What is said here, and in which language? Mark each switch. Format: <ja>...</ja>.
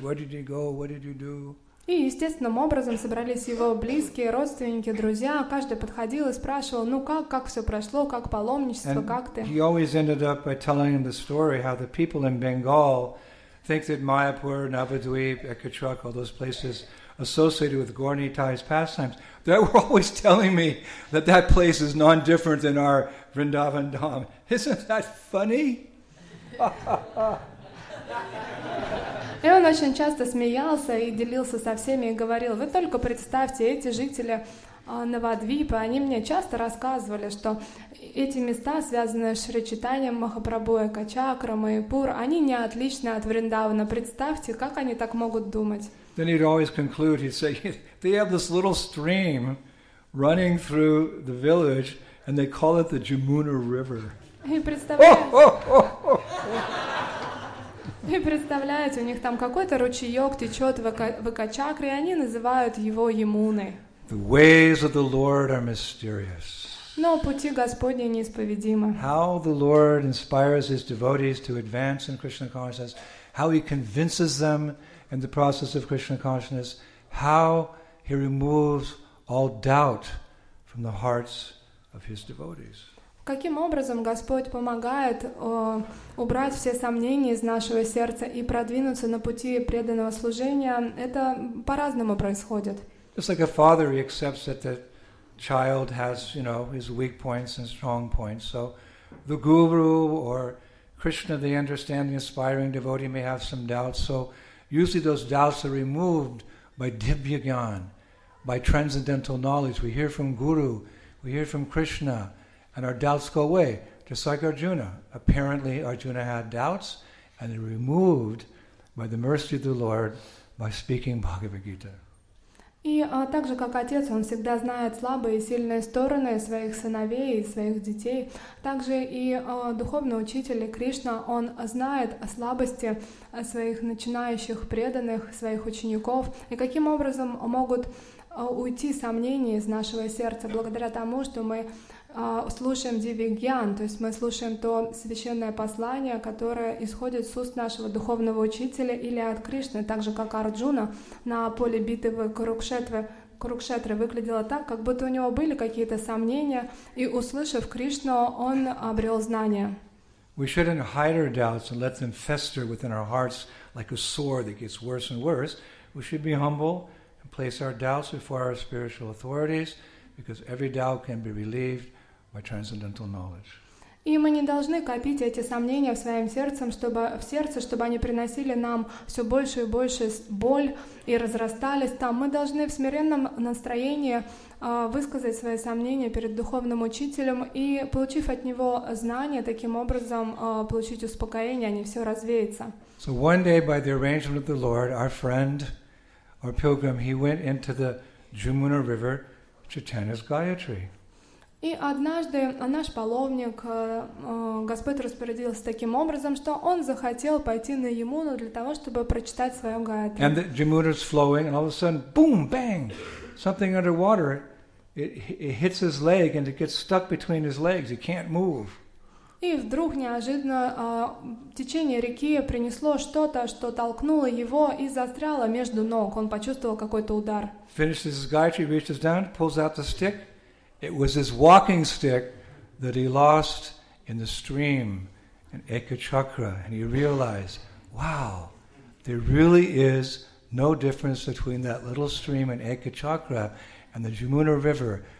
<en>Where did you go? What did you do?"</en> <ru>И естественным образом собрались его близкие, родственники, друзья. Каждый подходил и спрашивал, ну как все прошло, как паломничество,</ru> <en>and</en> <ru>как ты?</ru> <en>He always ended up by telling him the story how the people in Bengal think that Mayapur, Navadvip, Ekachak, all those places associated with Gorni Thai's pastimes, they were always telling me that that place is non-different than our Vrindavan Dham. Isn't that funny?</en> <ru>И он очень часто смеялся и делился со всеми и говорил, вы только представьте, эти жители Навадвипа, они мне часто рассказывали, что эти места, связанные с Шри Читанием Махапрабху, Экачакра, Майпур, они не отличны от Вриндавана. Представьте, как они так могут думать.</ru> <en>Then he'd always conclude, he'd say, they have this little stream running through the village, and they call it the Jamuna River.</en> <ru>И представляете, у них там какой-то ручеёк течёт в Экачакре, и они называют его Ямуной.</ru> <en>The ways of the Lord are mysterious.</en> <ru>Но пути Господни неисповедимы.</ru> <en>How the Lord inspires His devotees to advance in Krishna consciousness, how He convinces them in the process of Krishna consciousness, how He removes all doubt from the hearts of His devotees.</en> <ru>Каким образом Господь помогает убрать все сомнения из нашего сердца и продвинуться на пути преданного служения, это по-разному происходит.</ru> <en>Just like a father, he accepts that the child has, you know, his weak points and strong points. So the guru or Krishna, they understand the aspiring devotee may have some doubts. So usually those doubts are removed by Divya Gyan, by transcendental knowledge. We hear from guru, we hear from Krishna, and our doubts go away, just like Arjuna. Apparently, Arjuna had doubts, and they were removed by the mercy of the Lord by speaking Bhagavad Gita.</en> <ru>И также, как отец, он всегда знает слабые и сильные стороны своих сыновей и своих детей. Также и духовный учитель Кришна, он знает о слабости своих начинающих преданных, своих учеников, и каким образом могут уйти сомнения из нашего сердца благодаря тому, что мы слушаем Дивигьян, то есть мы слушаем то священное послание, которое исходит с уст нашего духовного учителя или от Кришны, так же, как Арджуна на поле битвы Курукшетры выглядело так, как будто у него были какие-то сомнения, и, услышав Кришну, он обрел знания.</ru> <en>We shouldn't hide our doubts and let them fester within our hearts like a sore that gets worse and worse. We should be humble and place our doubts before our spiritual authorities, because every doubt can be relieved by transcendental knowledge.</en> <ru>И мы не должны копить эти сомнения в своем сердце, чтобы они приносили нам все больше и больше боль и разрастались там. Мы должны в смиренном настроении высказать свои сомнения перед духовным учителем и, получив от него знания, таким образом получить успокоение, а не все развеется.</ru> <en>So one day, by the arrangement of the Lord, our friend, our pilgrim, he went into the Jamuna River, Chaitanya's Gayatri.</en> <ru>И однажды наш паломник, Господь распорядился таким образом, что он захотел пойти на Ямуну для того, чтобы прочитать свою Гаятри.</ru> <en>And the Jamuna's flowing, and all of a sudden, boom, bang, something underwater, it hits his leg, and it gets stuck between his legs, he can't move.</en> <ru>И вдруг неожиданно течение реки принесло что-то, что толкнуло его и застряло между ног. Он почувствовал какой-то удар.</ru> <en>Finishes his gayatri, reaches down, pulls out the stick. It was his walking stick that he lost in the stream in Ekachakra. And he realized, wow, there really is no difference between that little stream in Ekachakra and the Jamuna River.</en>